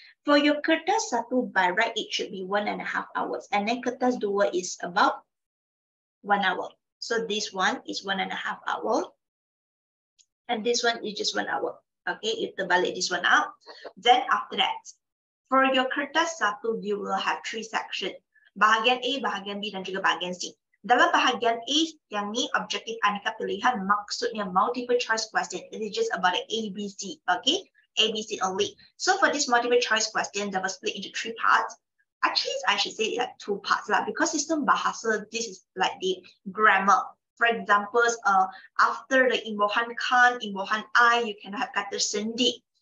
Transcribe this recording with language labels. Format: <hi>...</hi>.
<en>For your kertas satu by right, it should be 1.5 hours. And then kertas dua is about 1 hour. So this one is 1.5 hour. And this one is just 1 hour. Okay, if the double this one out. Then after that, for your kertas satu, you will have 3 sections.</en> <ms>Bahagian A, bahagian B, dan juga bahagian C. Dalam bahagian A, yang ni objektif aneka pilihan, maksudnya</ms> <en>multiple choice question. It is just about the A, B, C, okay? A, B, C only. So for this multiple choice question, that was split into 3 parts. Actually, I should say like 2 parts lah, because sistem bahasa, this is like the grammar. For example, after the imbuhan kan, imbuhan I, you can have kata sendi.</en>